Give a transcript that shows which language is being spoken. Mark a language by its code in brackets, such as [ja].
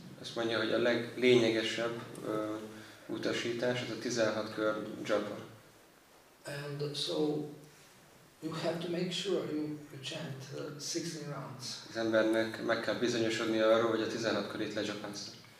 [hu] Azt mondja, hogy a leglényegesebb utasítás az a 16 kör japa. [en] And so you have to make sure you chant 16 rounds. [hu] Az embernek meg kell bizonyosodnia arról, hogy a 16 körét lejapázza.